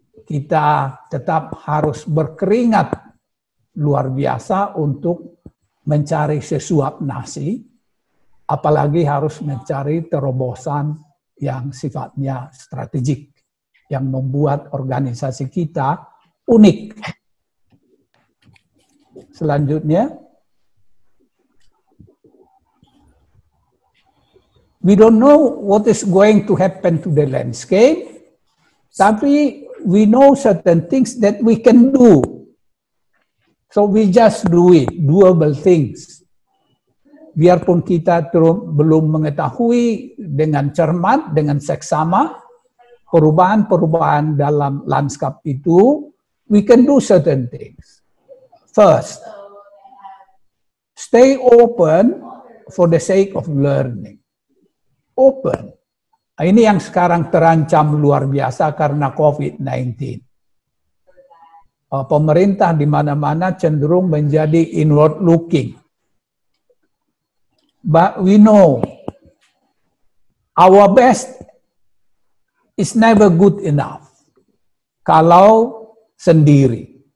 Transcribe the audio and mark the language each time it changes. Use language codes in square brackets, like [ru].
[id] Kita tetap harus berkeringat luar biasa untuk mencari sesuap nasi, apalagi harus mencari terobosan yang sifatnya strategik, yang membuat organisasi kita unik. Selanjutnya, [en] we don't know what is going to happen to the landscape, [id] tapi [en] we know certain things that we can do. So we just do it, doable things. [id] Biarpun kita belum mengetahui dengan cermat, dengan seksama, perubahan-perubahan dalam lanskap itu, [en] we can do certain things. First, stay open for the sake of learning. Open. [id] Nah, ini yang sekarang terancam luar biasa karena COVID-19. Pemerintah di mana-mana cenderung menjadi inward looking. [en] But we know our best is never good enough [id] kalau sendiri.